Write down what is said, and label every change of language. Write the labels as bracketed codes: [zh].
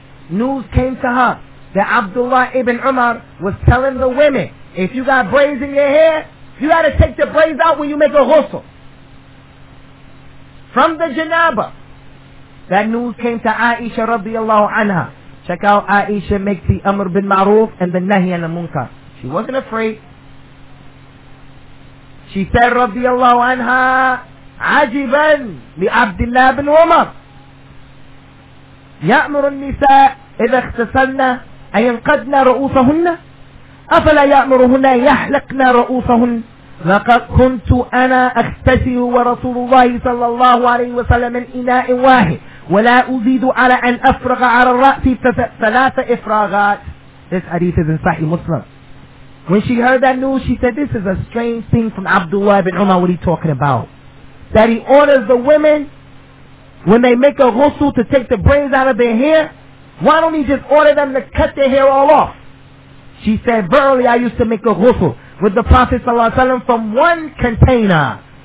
[en] News came to her that Abdullah ibn Umar was telling the women, if you got braids in your hair, you got to take the braids out when you make a ghusl. From the janaba. That news came to Aisha radiallahu anha. Check out Aisha makes the Amr bin Ma'ruf and the Nahi and the Munkar. She wasn't afraid. She said, [ar] رضي الله عنها عجبا لعبد الله بن عمر يأمر النساء إذا اختسلنا أن ينقضن رؤوسهن أفلا يأمرهن أن يحلقن رؤوسهن لقد كنت أنا أغتسل ورسول الله صلى الله عليه وسلم الإناء واحد ولا أزيد على أن أفرغ على الرأس ثلاث إفراغات. [en] This hadith is in Sahih Muslim. When she heard that news, she said, this is a strange thing from Abdullah ibn Umar, what are you talking about? That he orders the women, when they make a ghusl, to take the brains out of their hair? Why don't he just order them to cut their hair all off? She said, verily, I used to make a ghusl with the Prophet sallallahu alaihi wasallam from one container.